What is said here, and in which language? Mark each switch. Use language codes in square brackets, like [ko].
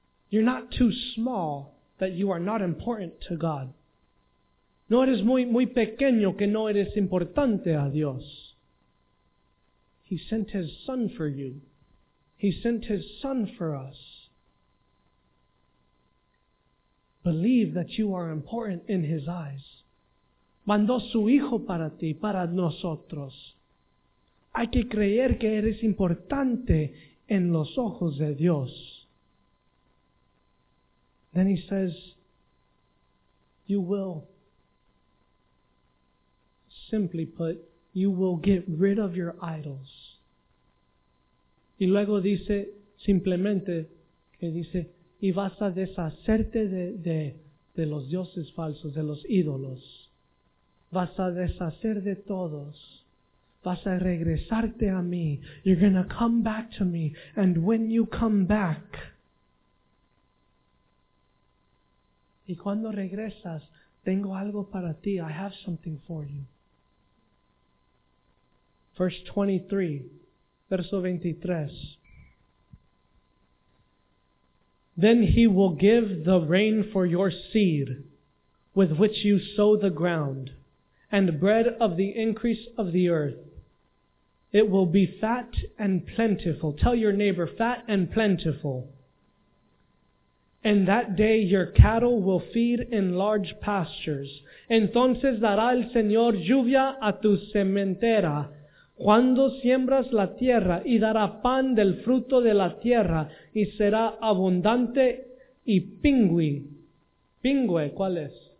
[en] You're not too small that you are not important to God. [es] No eres muy, muy pequeño que no eres importante a Dios. [en] He sent His Son for you. He sent His Son for us. Believe that you are important in His eyes. [es] Mandó su Hijo para ti, para nosotros. Hay que creer que eres importante en los ojos de Dios. [en] Then He says, you will, simply put, you will get rid of your idols. [es] Y luego dice, simplemente, que dice, y vas a deshacerte de los dioses falsos, de los ídolos. Vas a deshacer de todos. Vas a regresarte a mí. [en] You're going to come back to me. And when you come back, [es] y cuando regresas, tengo algo para ti. [en] I have something for you. Verse 23. [es] Verso 23. [en] Then He will give the rain for your seed with which you sow the ground and bread of the increase of the earth. It will be fat and plentiful. Tell your neighbor, fat and plentiful. And that day your cattle will feed in large pastures. [es] Entonces dará el Señor lluvia a tu sementera cuando siembras la tierra, y dará pan del fruto de la tierra, y será abundante y pingüe. ¿Pingüe cuál es?